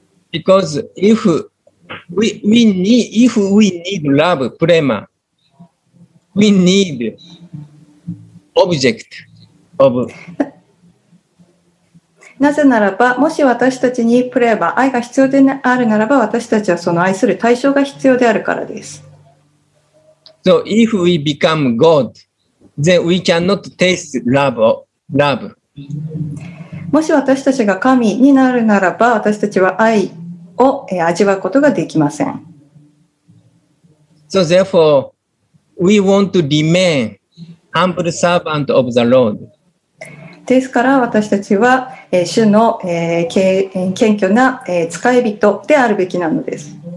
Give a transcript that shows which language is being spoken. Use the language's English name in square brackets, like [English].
[English] Because ifWe need, if we need love, prema, we need object of. [Japanese] なぜならば、もし私たちにプレマ、愛が必要であるならば、私たちはその愛する対象が必要であるからです。 [English] So if we become God, then we cannot taste love. [Japanese] もし私たちが神になるならば、私たちは愛を味わうことができません。 [English] So therefore, we want to remain humble servant of the Lord. [Japanese] ですから私たちは主の謙虚な使い人であるべきなのです。